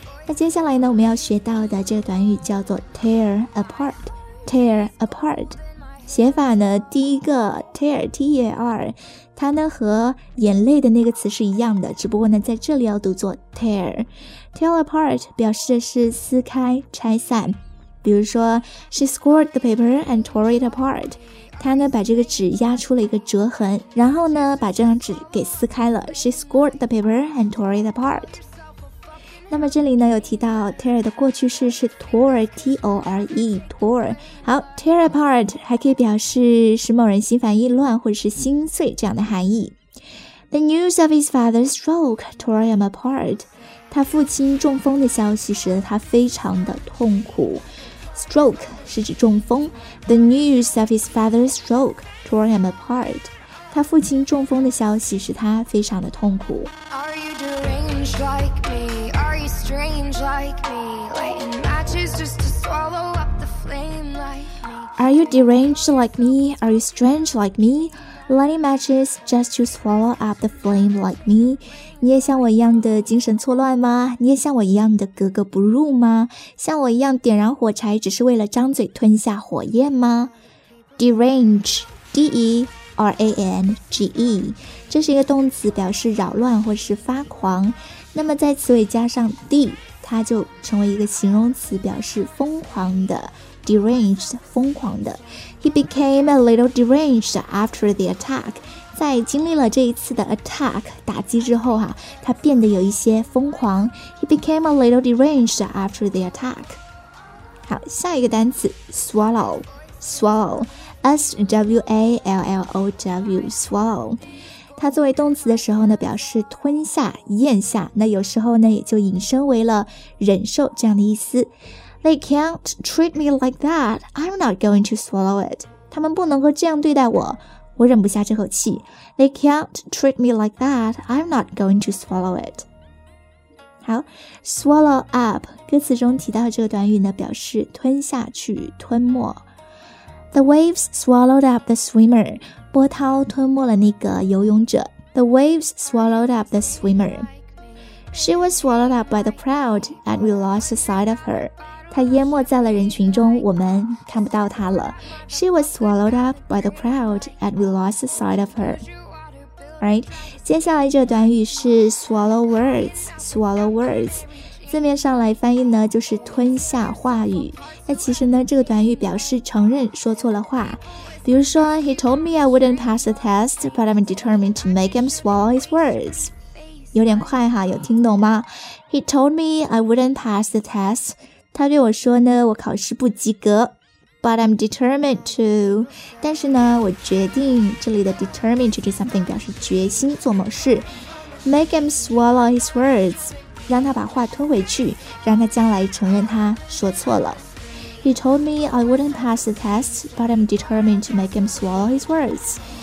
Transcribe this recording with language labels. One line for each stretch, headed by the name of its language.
Chinese: 那接下来呢我们要学到的这个短语叫做 tear apart， tear apart 写法呢，第一个 tear T-E-A-R 它呢和眼泪的那个词是一样的，只不过呢在这里要读作 tear。
English: tear apart
Chinese: 表示的是撕开、拆散，比如说
English: She scored the paper and tore it apart。
Chinese: 她呢把这个纸压出了一个折痕，然后呢把这张纸给撕开了。
English: She scored the paper and tore it apart。
Chinese: 那么这里呢有提到 tear 的过去式是 tore， T-O-R-E， tore。好， tear apart 还可以表示使某人心烦意乱或者是心碎这样的含义。
English: The news of his father's stroke tore him apart。
Chinese: 他父亲中风的消息使得他非常的痛苦。
English: Stroke
Chinese: 是指中风。
English: The news of his father's stroke tore him apart。
Chinese: 他父亲中风的消息使他非常的痛苦。
English: Are you deranged strange like me? Are you strange like me? Lighting matches just to swallow up the flame like me. Are you deranged like me? Are you strange like me? Lighting matches just to swallow up the flame like me.
Chinese: 你也像我一样的精神错乱吗？你也像我一样的格格不入吗？像我一样点燃火柴只是为了张嘴吞下火焰吗？ Derange, D-E-R-A-N-G-E, 这是一个动词，表示扰乱或是发狂。那么在词尾加上 D, 它就成为一个形容词，表示疯狂的。 Deranged, 疯狂的。
English: He became a little deranged after the attack.
Chinese: 在经历了这一次的 attack, 打击之后啊，他变得有一些疯狂。
English: He became a little deranged after the attack.
Chinese: 好，下一个单词 swallow, swallow, S-W-A-L-L-O-W, swallow. 它作为动词的时候呢，表示吞下、咽下，那有时候呢，也就引申为了忍受这样的意思。
English: They can't treat me like that. I'm not going to swallow it.
Chinese: 他们不能够这样对待我，我忍不下这口气。
English: They can't treat me like that. I'm not going to swallow it.
Chinese: 好 ,swallow up, 歌词中提到这个短语呢，表示吞下去、吞没。
English: The waves swallowed up the swimmer.
Chinese: 波涛吞没了那个游泳者。
English: The waves swallowed up the swimmer. She was swallowed up by the crowd, and we lost sight of her.
Chinese: 她淹没在了人群中，我们看不到她了。
English: She was swallowed up by the crowd, and we lost sight of her.
Chinese: Right? 接下来这短语是 swallow words, swallow words. 字面上来翻译呢，就是吞下话语。那其实呢，这个短语表示承认说错了话。比如说
English: ，He told me I wouldn't pass the test, but I'm determined to make him swallow his words。
Chinese: 有点快哈，有听懂吗
English: ？He told me I wouldn't pass the test。
Chinese: 他对我说呢，我考试不及格。
English: But I'm determined to.
Chinese: 但是呢，我决定。这里的 determined to do something 表示决心做某事。
English: Make him swallow his words.
Chinese: 让他把话吞回去，让他将来承认他说错了。
English: He told me I wouldn't pass the test, but I'm determined to make him swallow his words.